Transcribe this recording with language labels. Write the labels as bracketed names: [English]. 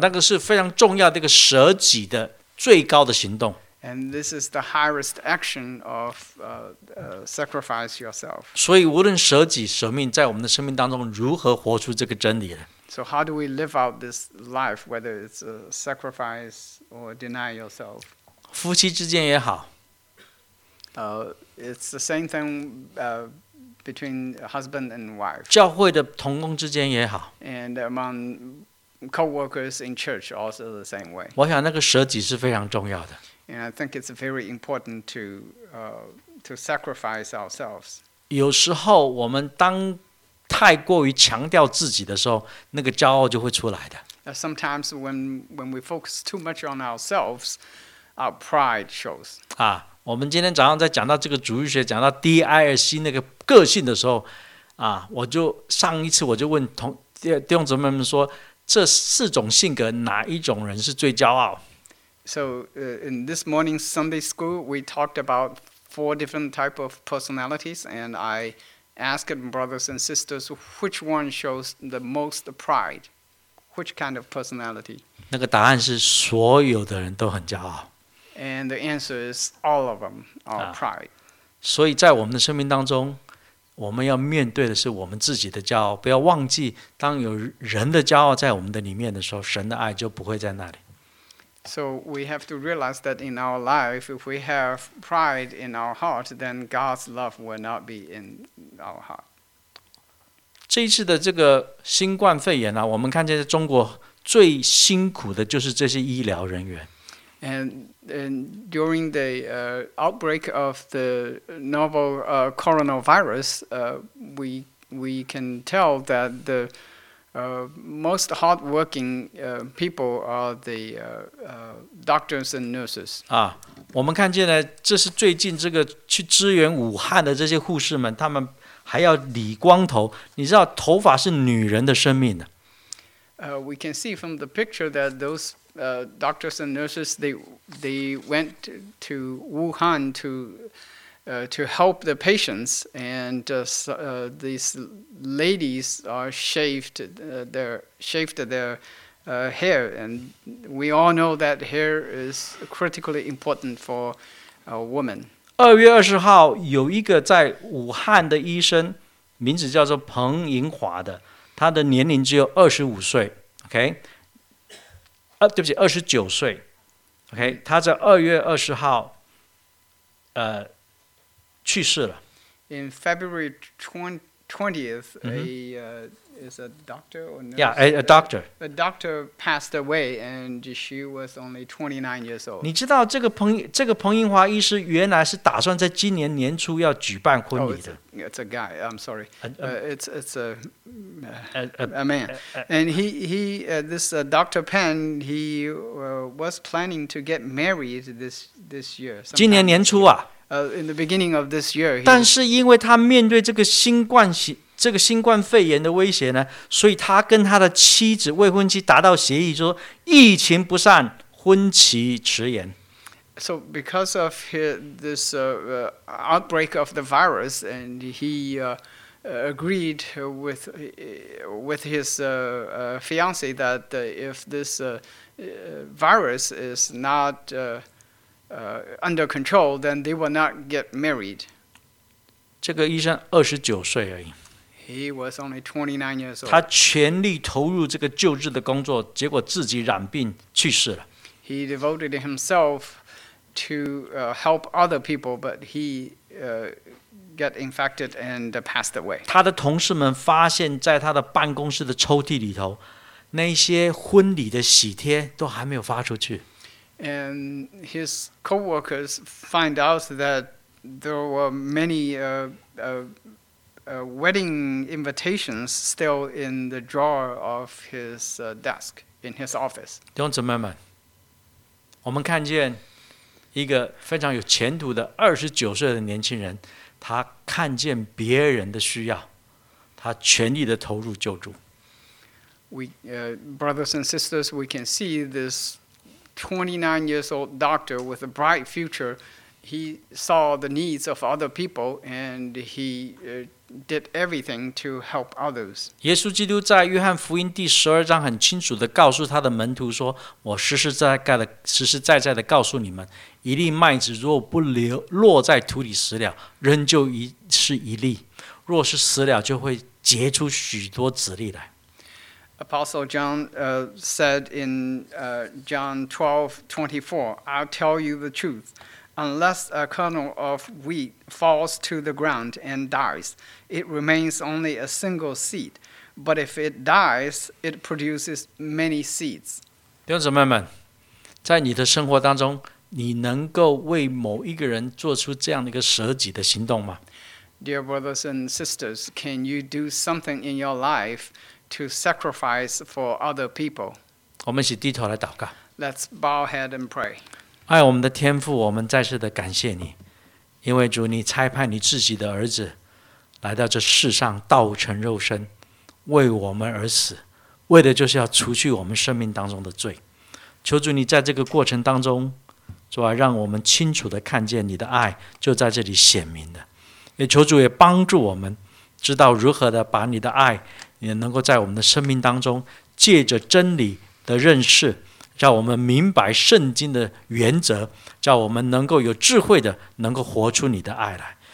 [Chinese] 那个是非常重要的一个舍己的最高的行动。 [English] And this is the highest action of sacrifice yourself. [Chinese] 所以无论舍己舍命，在我们的生命当中如何活出这个真理呢？ [English] So how do we live out this life, whether it's a sacrifice or deny yourself? [Chinese] 夫妻之间也好。 [English] It's the same thing between husband and wife. [Chinese] 教会的同工之间也好。 [English] And among co-workers in church also the same way. [Chinese] 我想那个舍己是非常重要的。 [English] And I think it's very important to sacrifice ourselves. [Chinese] 有时候我们当太过于强调自己的时候，那个骄傲就会出来的。 [English] Sometimes when we focus too much on ourselves, our pride shows. [Chinese] 啊，我们今天早上在讲到这个主义学，讲到 DISC 那个个性的时候，啊，我就上一次我就问弟兄姊妹们说，这四种性格哪一种人是最骄傲？ [English] So in this morning's Sunday school, we talked about four different type of personalities, and I asked brothers and sisters which one shows the most pride, which kind of personality. [Chinese] 那个答案是所有的人都很骄傲。 [English] And the answer is all of them are pride. [Chinese] 所以在我们的生命当中，我们要面对的是我们自己的骄傲，不要忘记，当有人的骄傲在我们的里面的时候，神的爱就不会在那里。 [English] So we have to realize that in our life, if we have pride in our heart, then God's love will not be in our heart. [Chinese] 这一次的这个新冠肺炎啊，我们看见在中国最辛苦的就是这些医疗人员。 [English] And during the outbreak of the novel coronavirus, we can tell that the most hardworking people are the doctors and nurses. [Chinese] 啊，我们看见呢，这是最近这个去支援武汉的这些护士们，他们还要理光头。你知道，头发是女人的生命的。 [English] We can see from the picture that those doctors and nurses they went to Wuhan to help the patients, and these ladies are shaved their hair, and we all know that hair is critically important for a woman. [Chinese] 二月二十号，有一个在武汉的医生，名字叫做彭银华的，他的年龄只有25岁 ，OK。对不起，29岁 ，OK， 他在2月20号，去世了。 [English] In February 20th, is a doctor or nurse? Yeah, a doctor. A doctor passed away, and she was only 29 years old. [Chinese] 你知道这个彭英华医师原来是打算在今年年初要举办婚礼的。 [English] Oh, it's a guy. I'm sorry. It's a man. And this Dr. Pan, he was planning to get married this year. [Chinese] 今年年初啊。 [English] In the beginning of this year. [Chinese] 但是因为他面对这个新冠肺炎的威胁呢，所以他跟他的妻子未婚妻达到协议，说疫情不散，婚期迟延。 [English] So because of this outbreak of the virus, and he agreed with his fiancée that if this virus is not under control, then they will not get married. [Chinese] 这个医生29岁而已。 [English] He was only 29 years old. [Chinese] 他全力投入这个救治的工作，结果自己染病去世了。 [English] He devoted himself to help other people, but he got infected and passed away. [Chinese] 他的同事们发现，在他的办公室的抽屉里头，那些婚礼的喜帖都还没有发出去。 [English] And his coworkers find out that there were many wedding invitations still in the drawer of his desk in his office. [Chinese] 弟兄姊妹们，我们看见一个非常有前途的29岁的年轻人，他看见别人的需要，他全力的投入救助。 [English] We brothers and sisters, we can see this 29 years old doctor with a bright future. He saw the needs of other people and he did everything to help others. [Chinese] 耶稣基督在约翰福音第十二章很清楚地告诉他的门徒说，我实实在在地告诉你们，一粒麦子若不落在土里死了，仍旧是一粒，若是死了，就会结出许多子粒来。 [English] Apostle John said in John 12:24, I'll tell you the truth. Unless a kernel of wheat falls to the ground and dies, it remains only a single seed. But if it dies, it produces many seeds. [Chinese] 弟兄姊妹们，在你的生活当中，你能够为某一个人做出这样的一个舍己的行动吗？ [English] Dear brothers and sisters, can you do something in your life to sacrifice for other people? [Chinese] 我们一起低头来祷告。 [English] Let's bow head and pray. [Chinese] 爱我们的天父，我们再次的感谢你，因为主你差派你自己的儿子来到这世上，道成肉身，为我们而死，为的就是要除去我们生命当中的罪。求主你在这个过程当中，主啊，让我们清楚地看见你的爱就在这里显明的，也求主也帮助我们知道如何地把你的爱也能够在我们的生命当中借着真理的认识，让我们明白圣经的原则，让我们能够有智慧的能够活出你的爱来。